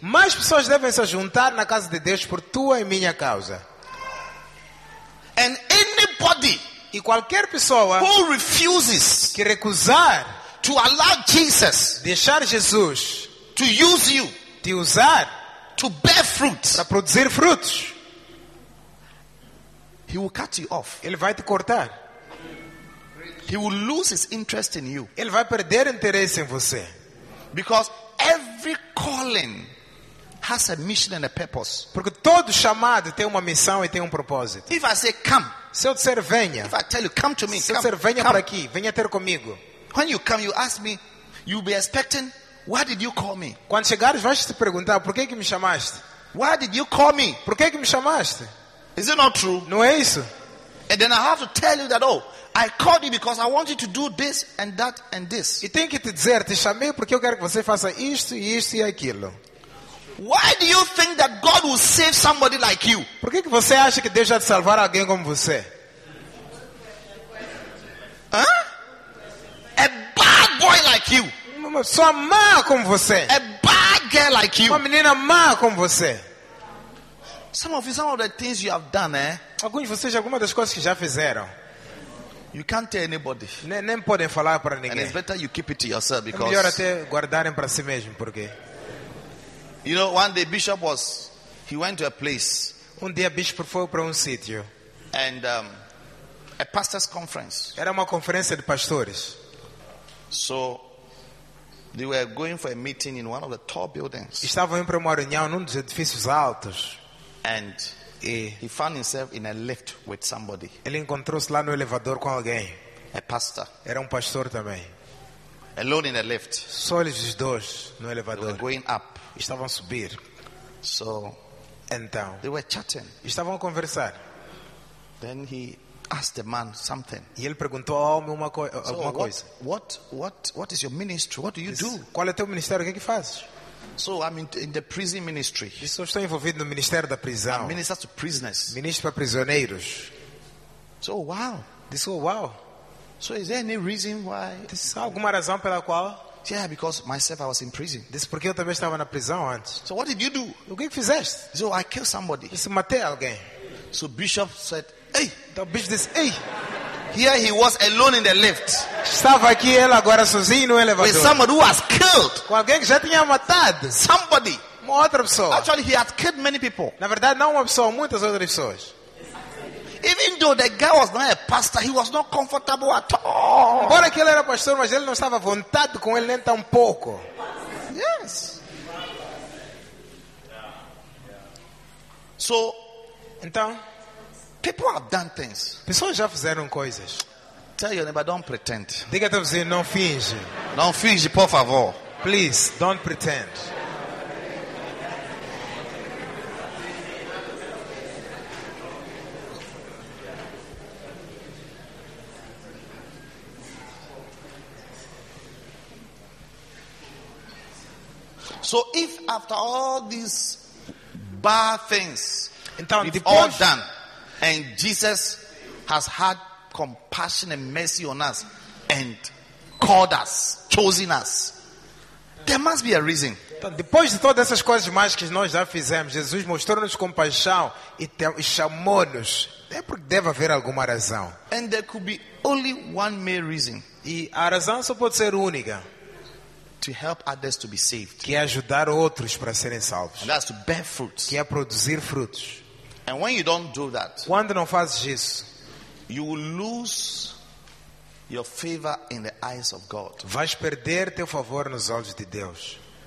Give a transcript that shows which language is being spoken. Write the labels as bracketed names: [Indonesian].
[Portuguese] Mais pessoas devem se juntar na casa de Deus por tua e minha causa. [English] And anybody. [Portuguese] E qualquer pessoa [English] who refuses [Portuguese] que recusar [English] to allow Jesus [Portuguese] deixar Jesus [English] to use you [Portuguese] te usar [English] to bear fruits [Portuguese] para produzir frutos, [English] he will cut you off. [Portuguese] Ele vai te cortar. [English] He will lose his interest in you. [Portuguese] Ele vai perder interesse em você. [English] Because every calling has a mission and a purpose. [Portuguese] Porque todo chamado tem uma missão e tem propósito. [English] If I say come, [Portuguese] se eu disser venha, [English] if I tell you come to me, [Portuguese] se eu disser venha para aqui, venha ter comigo. [English] When you come, you ask me, you'll be expecting, why did you call me? [Portuguese] Quando chegares, vais te perguntar por que me chamaste? [English] Why did you call me? [Portuguese] Por que me chamaste? [English] Is it not true? [Portuguese] Não é isso? [English] And then I have to tell you that, oh, I called you because I want you to do this and that and this. [Portuguese] E tenho que te dizer, te chamei porque eu quero que você faça isto e isto e aquilo. [English] Why do you think that God will save somebody like you? [Portuguese] Por que você acha que Deus vai salvar alguém como você? [English] Huh? A bad boy like you. [Portuguese] Uma pessoa má como você. [English] A bad girl like you. [Portuguese] Uma menina má como você. [English] Some of the things you have done, eh? [Portuguese] Alguns de vocês, algumas das coisas que já fizeram. [English] You can't tell anybody. [Portuguese] Nem podem falar para ninguém. [English] And it's better you keep it to yourself because. [Portuguese] É melhor até guardarem para si mesmo, porque. [English] You know, one day bishop was, he went to a place. [Portuguese] Um dia bishop foi para sítio. [English] And a pastor's conference. [Portuguese] Era uma conferência de pastores. [English] So they were going for a meeting in one of the tall buildings. [Portuguese] Estavam indo para uma reunião num dos edifícios altos. [English] And he found himself in a lift with somebody. [Portuguese] Ele encontrou-se lá no elevador com alguém. [English] A pastor. [Portuguese] Era pastor também. [English] Alone in the lift. [Portuguese] Só eles dois no elevador. [English] They were going up. [Portuguese] Estavam a subir. [English] So, [Portuguese] então, [English] they were chatting. [Portuguese] Estavam a conversar. [English] Then he asked the man something. [Portuguese] E ele perguntou ao homem alguma coisa. [English] What is your ministry? What do you do? [Portuguese] Qual é teu ministério? O que fazes? [English] So I'm in the prison ministry. [Portuguese] Estou envolvido no ministério da prisão. [English] I minister to prisoners. [Portuguese] Ministro para prisioneiros. [English] So wow. [Portuguese] Disse, wow. [English] So is there any reason why? [Portuguese] Alguma razão pela qual? [English] Yeah, because myself I was in prison. [Portuguese] Disse porque eu também estava na prisão antes. [English] So what did you do? [Portuguese] O que fizeste? [English] So I killed somebody. [Portuguese] Disse matei alguém. [English] So bishop said, hey. The bishop disse, hey. Here he was alone in the lift. [Portuguese] Estava aqui ele agora sozinho no elevador. [English] With somebody who has killed. [Portuguese] Com alguém que já tinha matado. [English] Somebody. [Portuguese] Uma outra pessoa. [English] Actually, he had killed many people. [Portuguese] Na verdade, não uma pessoa, muitas outras pessoas. [English] Even though the guy was not a pastor, he was not comfortable at all. [Portuguese] Embora que ele era pastor, mas ele não estava à vontade com ele nem tão pouco. [English] Yes. So, [Portuguese] então, [English] people have done things. [Portuguese] Pessoas já fizeram coisas. [English] Tell your neighbor, don't pretend. [Portuguese] Diga a você, não finge. Não finge, por favor. [English] Please, don't pretend. So if after all these bad things, [Portuguese] então, [English] we've [Portuguese] depois, [English] all done, and Jesus has had compassion and mercy on us, and called us, chosen us, there must be a reason. [Portuguese] Então, depois de todas essas coisas mais que nós já fizemos, Jesus mostrou-nos compaixão e chamou-nos. É porque deve haver alguma razão. [English] And there could be only one main reason. [Portuguese] E a razão só pode ser única. [English] To help others to be saved. [Portuguese] Que é ajudar outros para serem salvos. [English] And that's to bear fruits. [Portuguese] Que é produzir frutos. [English] And when you don't do that, [Portuguese] quando não fazes isso, [English] you will lose your favor in the eyes of God. [Portuguese] Vais perder teu favor nos olhos de Deus.